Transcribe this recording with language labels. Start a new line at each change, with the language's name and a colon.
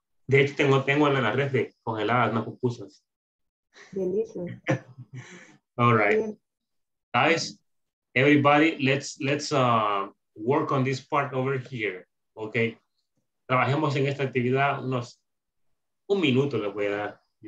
Spanish: De hecho, tengo en la red de congeladas, no pupusas.
English: Delicious. All right. Yeah. Guys. Everybody, let's work on this part over here, okay?
Spanish: Trabajemos en esta actividad unos un minuto, les voy a dar.